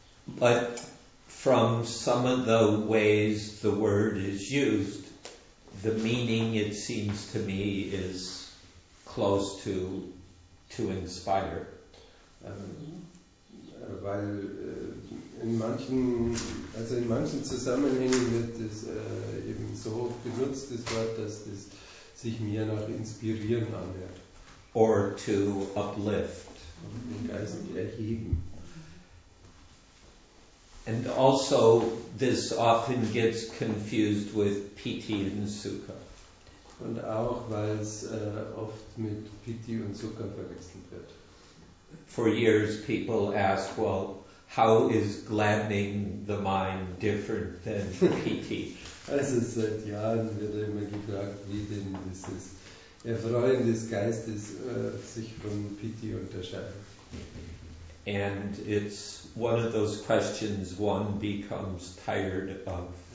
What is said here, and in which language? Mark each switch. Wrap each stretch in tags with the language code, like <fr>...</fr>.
<en>But from some of the ways the word is used, the meaning, it seems to me, is close to inspire.</en> <de>Weil in manchen Zusammenhängen wird das eben so benutzt, das Wort, dass das sich mehr nach inspirieren anhört.</de> <en>Or to uplift.</en> <de>Den Geist erheben.</de> <en>And also, this often gets confused with Piti and Sukha.</en> <de>Und auch, weil es oft mit Piti und Sukha verwechselt wird.</de> <en>For years, people ask, well, how is gladdening the mind different than Piti?</en> <de>Also, seit Jahren wird immer gefragt, wie denn dieses Erfreuen des Geistes sich von Piti unterscheidet.</de> <en>And it's one of those questions one becomes tired of.</en>